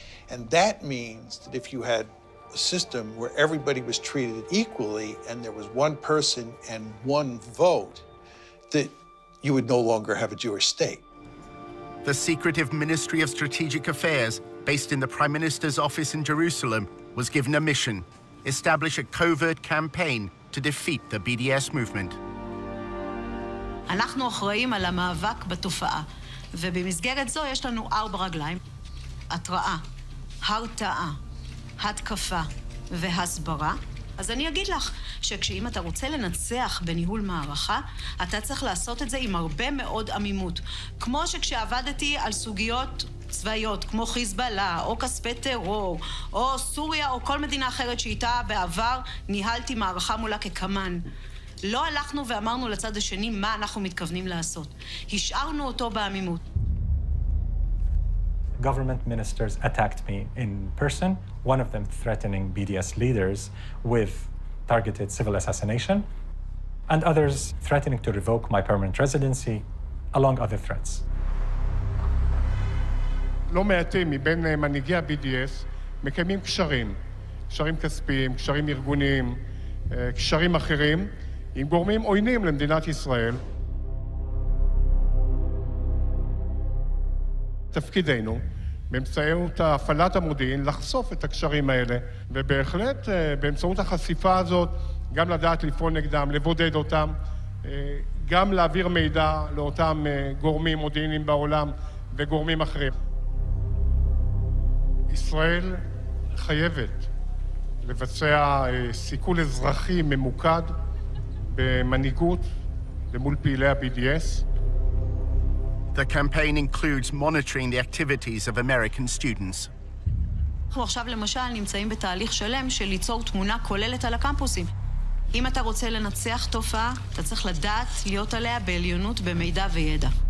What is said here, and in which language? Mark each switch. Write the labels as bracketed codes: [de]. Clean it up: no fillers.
[en] And that means that if you had a system where everybody was treated equally and there was one person and one vote, that you would no longer have a Jewish state. The secretive Ministry of Strategic Affairs, based in the Prime Minister's office in Jerusalem, was given a mission: establish a covert campaign to defeat the BDS movement. [he] אנחנו אחראים על המאבק בתופעה, ובמסגרת זו יש לנו ארבע רגליים: התראה, הרתעה, התקפה והסברה. אז אני אגיד לך שכשאם אתה רוצה לנצח בניהול מערכה, אתה צריך לעשות את זה עם הרבה מאוד עמימות. כמו שכשעבדתי על סוגיות צבאיות, כמו חיזבאללה, או כספי טרור, או סוריה, או כל מדינה אחרת שאיתה בעבר ניהלתי מערכה מולה כקמן. לא הלכנו ואמרנו לצד השני מה אנחנו מתכוונים לעשות. השארנו אותו בעמימות. [en] Government ministers attacked me in person, one of them threatening BDS leaders with targeted civil assassination, and others threatening to revoke my permanent residency, among other threats. [he] לא מעטים מבין מנהיגי ה-BDS מקיימים קשרים, קשרים כספיים, קשרים ארגוניים, קשרים אחרים, עם גורמים עוינים למדינת ישראל. תפקידנו, באמצעות הפעלת המודיעין, לחשוף את הקשרים האלה, ובהחלט באמצעות החשיפה הזאת, גם לדעת לפעול נגדם, לבודד אותם, גם להעביר מידע לאותם גורמים מודיעינים בעולם וגורמים אחרים. ישראל חייבת לבצע סיכול אזרחי ממוקד במנהיגות למול פעילי ה-BDS. [en] The campaign includes monitoring the activities of American students. [he] אנחנו עכשיו למשל נמצאים בתהליך שלם של ליצור תמונה כוללת על הקמפוסים. אם אתה רוצה לנצח תופעה, אתה צריך לדעת להיות עליה בעליונות במידע וידע.